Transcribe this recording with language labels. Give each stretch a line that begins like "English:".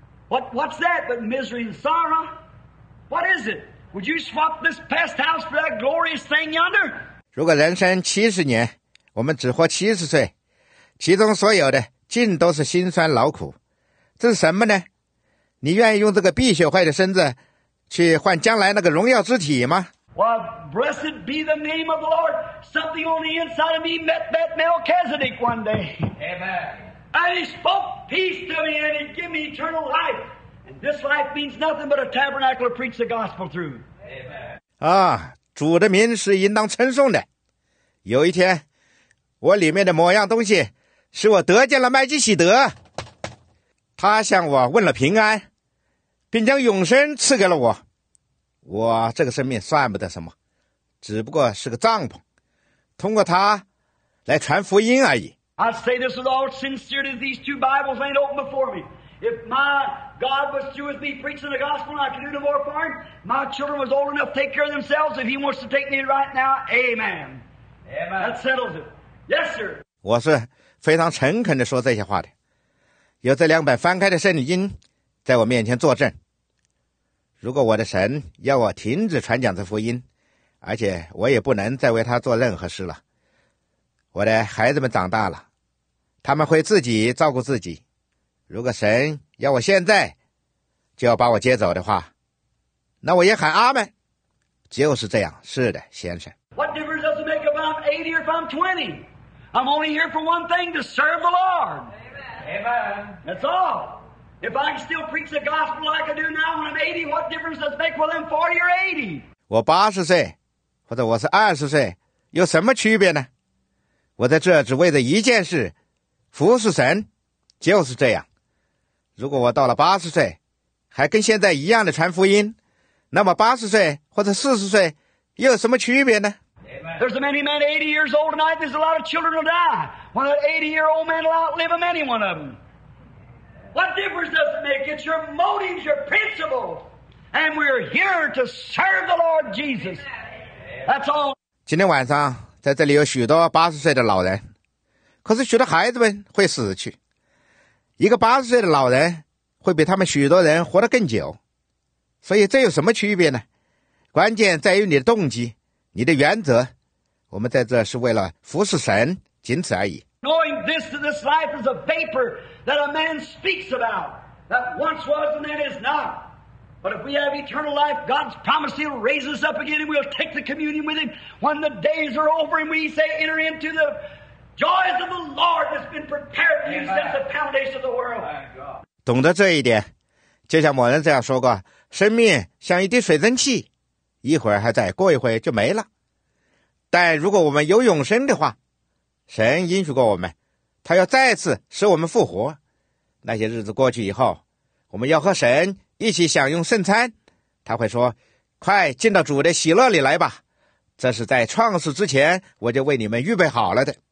English: What's that but misery and sorrow? What is it? Would you swap this pest house for that glorious thing yonder?
Chinese: 如果人生70年，我们只活70岁，其中所有的尽都是辛酸劳苦。这是什么呢？你愿意用这个碧血坏的身子去换将来那个荣耀之体吗？
English: Well, blessed be the name of the Lord. Something on the inside of me met that Melchizedek one day. Amen. And he spoke peace to me and he gave me eternal life. And this life means nothing but a tabernacle to preach the gospel through. Amen.
Chinese: 主的名是应当称颂的。有一天，我里面的某样东西使我得见了麦基洗德，他向我问了平安，并将永生赐给了我。我这个生命算不得什么，只不过是个帐篷，通过它来传福音而已。
English: I say this with all sincerity. These two Bibles ain't open before me. If my God was through with me preaching the gospel, I could do no more for him. My children was old enough to take care of themselves. If he wants to take me right now, amen. Amen. That settles it. Yes, sir.
Chinese: 我是非常诚恳地说这些话的，有这两本翻开的圣经在我面前作证。如果我的神要我停止传讲这福音，而且我也不能再为他做任何事了，我的孩子们长大了，他们会自己照顾自己。如果神要我现在就要把我接走的话，那我也喊阿们。就是这样，是的，先生。
English: What difference does it make if I'm 80 or if I'm 20? I'm only here for one thing, to serve the Lord. Amen. That's all. If I can still preach the gospel like I do now when I'm 80, what difference does it make whether I'm 40 or 80?
Chinese: 我80岁，或者我是20岁，有什么区别呢？我在这只为了一件事，服侍神，就是这样。如果我到了80岁，还跟现在一样的传福音，那么80岁或者40岁又有什么区别呢？
English: Amen. There's a many men 80 years old tonight, there's a lot of children will die. One of the 80-year-old men will outlive them, any one of them. What difference does it make? It's your motives, your principles. And we're here to serve the Lord Jesus. That's all.
Chinese: 今天晚上在这里有许多80岁的老人，可是许多孩子们会死去。一个80岁的老人会比他们许多人活得更久，所以这有什么区别呢？关键在于你的动机，你的原则。我们在这是为了服侍神，仅此而已。
English: Knowing this, that this life is a vapor that a man speaks about, that once was and then is not. But if we have eternal life, God's promise he'll raise us up again and we'll take the communion with him when the days are over and we say enter into the joys of the Lord that's been prepared for you since the foundation of the world.
Chinese: 懂得这一点，就像某人这样说过，生命像一滴水蒸气，一会儿还在，过一会就没了。但如果我们有永生的话，神应许过我们，他要再次使我们复活。那些日子过去以后，我们要和神一起享用圣餐，他会说，快进到主的喜乐里来吧，这是在创世之前我就为你们预备好了的。